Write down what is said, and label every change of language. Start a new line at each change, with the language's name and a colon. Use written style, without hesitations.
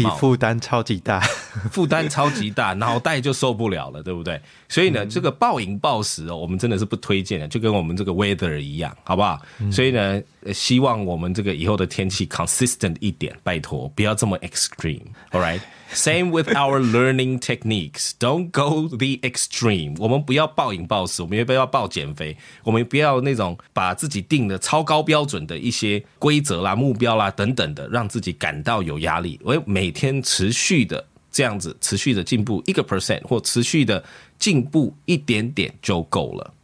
Chinese: 身体负担超级大，负担超级大，脑袋就受不了了，对不对？所以呢，这个暴饮暴食我们真的是不推荐的，就跟我们这个 weather 一样，好不好？所以呢，希望我们这个以后的天气 consistent 一点，拜托，不要这么 extreme。
English: All right, same with our learning techniques. Don't go the extreme.
Chinese: 我们不要暴饮暴食。我们也不要报减肥，我们不要那种把自己定的超高标准的一些规则啦、目标啦等等的，让自己感到有压力。我每天持续的这样子，持续的进步1%或持续的进步一点点就够了。